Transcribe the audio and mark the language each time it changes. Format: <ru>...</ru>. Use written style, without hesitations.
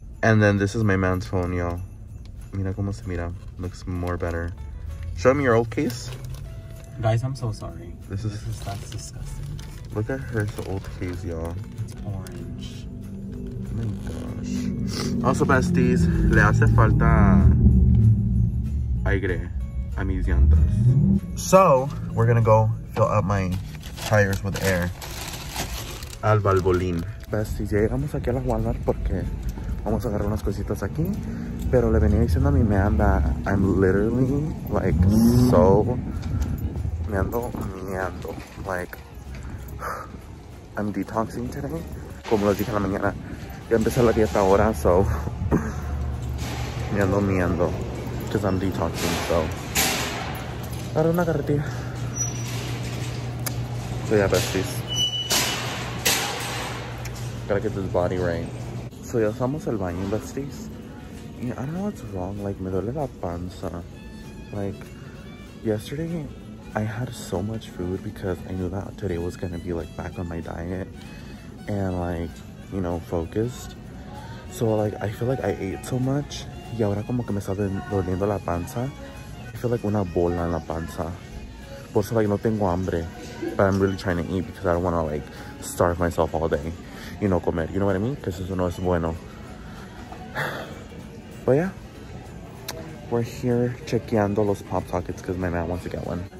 <en>And then this is my man's phone, y'all.</en> <es>Mira cómo se mira.</es> <en>Looks more better. Show me your old case. Guys, I'm so sorry. That's disgusting. Look at her, it's the old case, y'all. It's orange. Oh my gosh.</en> <es>Also, besties, le hace falta aire a mis llantas.</es> <en>So, we're gonna go fill up my tires with air.</en> <es>Al valvolín. Besties, ya llegamos aquí a la Walmart porque vamos a agarrar unas cositas aquí. Pero le venía diciendo a mi man</es> <en>that I'm literally, like, so...</en> <es>Meando,</es> <en>like, I'm detoxing today.</en> <es>Como les dije en la mañana, ya empecé la dieta ahora, so meando,</es> <en>because I'm detoxing,</en> <es>so. Agarra una carretilla.</es> <en>So yeah, besties. Gotta get this body right.</en> <es>So ya estamos el baño, besties.</es> <en>I don't know what's wrong, like,</en> <es>me duele la panza.</es> <en>Like, yesterday, I had so much food because I knew that today was gonna be like back on my diet and like, you know, focused. So like, I feel like I ate so much.</en> <es>Y ahora como que me está doliendo la panza.</es> <en>I feel like</en> <es>una bola en la panza. Por eso like no tengo hambre,</es> <en>but I'm really trying to eat because I don't wanna like starve myself all day. You know, comer, you know what I mean? Cause</en> <es>eso no es bueno.</es> <en>But yeah, we're here chequeando los Pop Sockets cause my man wants to get one.</en>